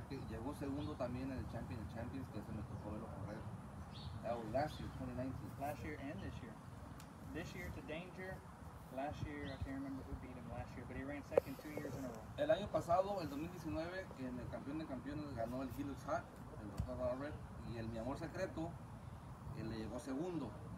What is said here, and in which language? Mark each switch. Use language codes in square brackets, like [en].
[es] Llegó segundo también en el Champion of Champions, que se me tocó verlo correr. [en] That was last year, 2019. Last year and this year. This year to Danger. Last year, I can't remember who beat him last year, but he ran second 2 years in a row. [es] El año pasado, el 2019, en el Campeón de Campeones ganó el Helix Hot, el Dr. Albert, y el Mi Amor Secreto, él le llegó segundo.